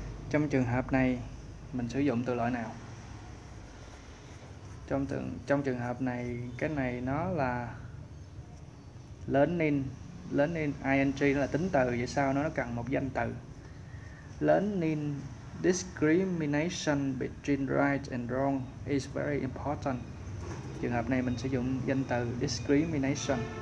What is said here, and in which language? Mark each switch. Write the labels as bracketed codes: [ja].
[vi] Trong trường hợp này mình sử dụng từ loại nào? Trong trường hợp này cái này nó là learning ing là tính từ, vậy sao nó cần một danh từ. [en] Learning discrimination between right and wrong is very important. [vi] Trường hợp này mình sử dụng danh từ discrimination.